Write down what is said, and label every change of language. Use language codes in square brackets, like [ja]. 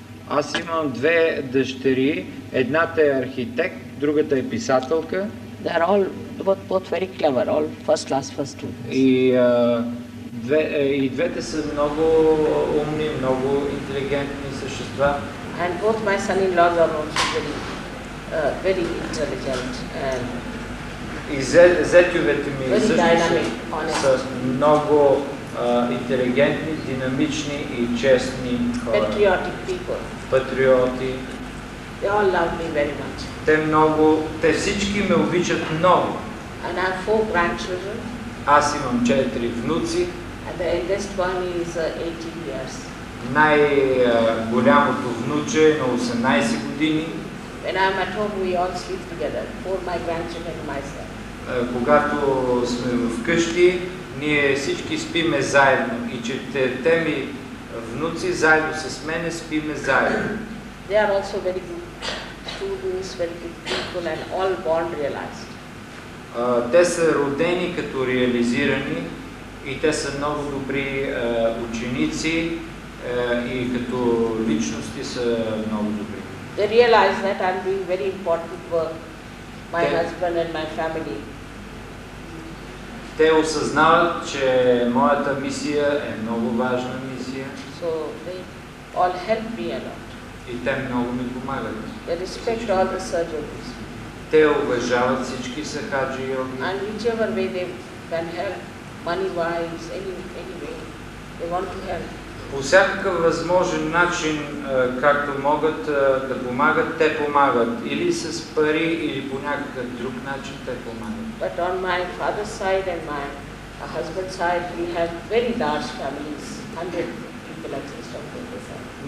[bg] Аз имам две дъщери, едната е архитект, другата е писателка. [en] They are both very clever, all first class, first students. [bg] И двете са много умни, много интелигентни същества. [en] And both my son-in-laws are also very intelligent and [bg] и зетювете ми също са много интелигентни, динамични и честни хора. [en] Patriotic people. [bg] Патриоти. [en] They all love me very much. [bg] Те всички ме обичат много. [en] And I have four grandchildren. [bg] Аз имам четири внуци. [en] And the eldest one is 18 years. [bg] Най-голямото внуче е на 18 години. [en] When I'm at home, we all sleep together. Four my grandchildren and myself. [bg] Когато сме вкъщи, ние всички спиме заедно и четете ми внуци заедно с мене спиме заедно. [en] They are also very good students, very good people and all born realized. [bg] Те са родени като реализирани и те са много добри ученици и като личности са много добри. [en] They realize that I'm doing very important work, my husband and my family. [bg] Те осъзнават, че моята мисия е много важна мисия. [en] So they all help me a lot. [bg] И те много ми помагат. [en] They respect all the surgeons. [bg] Те уважават всички сахаджи йоги. [en] And whichever way they can help, money-wise, anyway, they want to help. [bg] По всякакъв възможен начин, както могат да помагат, те помагат. Или с пари, или по някакъв друг начин те помагат. [en] But on my father's side and my husband's side, we have very large families, 100 people at least of them.